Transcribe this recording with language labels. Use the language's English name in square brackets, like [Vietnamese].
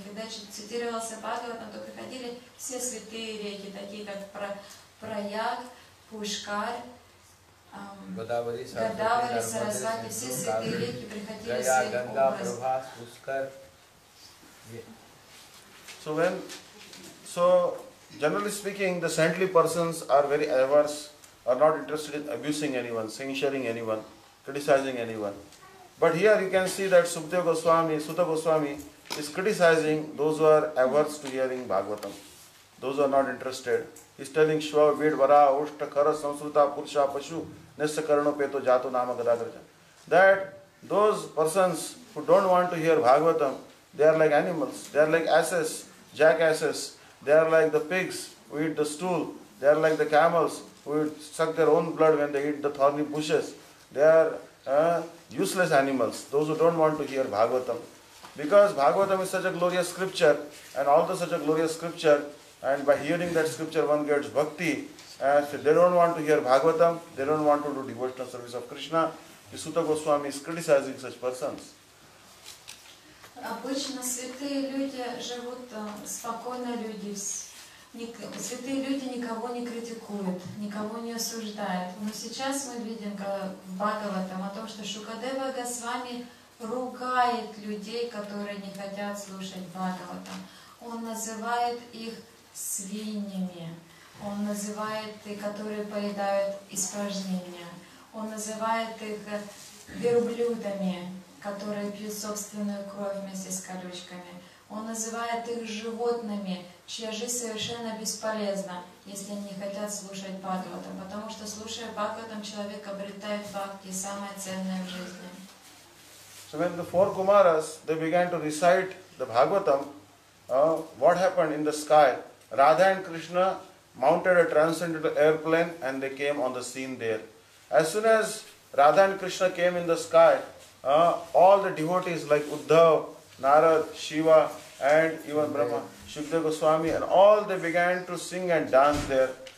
[Russian] Когда цитировался Бхагаватам, то приходили все святые реки, такие как Прояг, Пушкар, Годавари, Сарасвати, все святые реки приходили в своих образах. [English] So, generally speaking, the saintly persons are very averse, are not interested in abusing anyone, censuring anyone, criticizing anyone. But here you can see that Sukadeva Goswami, Suta Goswami is criticizing those who are averse to hearing Bhagavatam, those who are not interested. [Sanskrit] He is telling Shva, Ved, Vara, Oshta, Kara, Samsruta, Purusha, Pashu, Nesha, Karano, Peto, Jato, Nama, Gadagraja. [English] That those persons who don't want to hear Bhagavatam, they are like animals, they are like asses, jackasses, they are like the pigs who eat the stool, they are like the camels who suck their own blood when they eat the thorny bushes. They are useless animals, those who don't want to hear Bhagavatam. Because Bhagavatam is such a glorious scripture, and all the such a glorious scripture, and by hearing that scripture one gets bhakti, and so they don't want to hear Bhagavatam, they don't want to do devotional service of Krishna. The Suta Goswami is criticizing such persons. [Russian] Обычно святые люди живут спокойно, люди, святые люди никого не критикуют, никого не осуждают. Но сейчас мы видим в Бхагаватам о том, что Шукадева Госвами ругает людей, которые не хотят слушать Бхагаватам. Он называет их свиньями, он называет их, которые поедают испражнения, он называет их верблюдами, которые пьют собственную кровь вместе с колючками. Он называет их животными, чья жизнь совершенно бесполезна, если они не хотят слушать Бхагаватам. Потому что слушая Бхагаватам, человек обретает бхакти, самое ценное в жизни. [English] So when the four Kumaras, they began to recite the Bhagavatam, what happened in the sky? Radha and Krishna mounted a transcendental airplane and they came on the scene there. As soon as Radha and Krishna came in the sky, all the devotees like Uddhav, Narad, Shiva and even Brahma, Shukadeva Goswami, and all they began to sing and dance there.